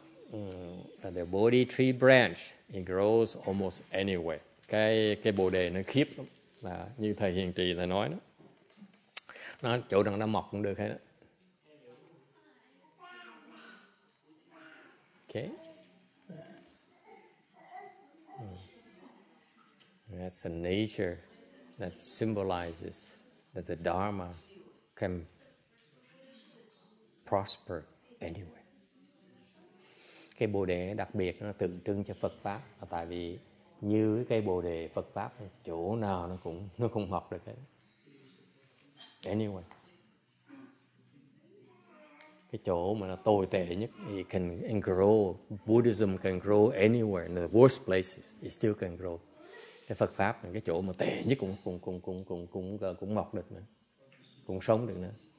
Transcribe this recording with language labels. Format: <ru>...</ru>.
<en>181, the Bodhi tree branch, it grows almost anywhere.</en> <vi>Cái bồ đề nó khiếp lắm, là như thầy Hiền Trì đã nói đó. Nó chỗ nào nó mọc cũng được hết.</vi> <en>Okay. That's the nature that symbolizes that the Dharma can prosper anyway.</en> <vi>Cây bồ đề đặc biệt nó tượng trưng cho Phật pháp, tại vì như cây bồ đề Phật pháp chỗ nào nó cũng mọc được hết.</vi> <en>Anyway,</en> <vi>cái chỗ mà nó tồi tệ nhất,</vi> <en>it can grow. Buddhism can grow anywhere. In the worst places, it still can grow.</en> <vi>Cái Phật pháp là cái chỗ mà tệ nhất cũng mọc được nữa, cũng sống được nữa.</vi>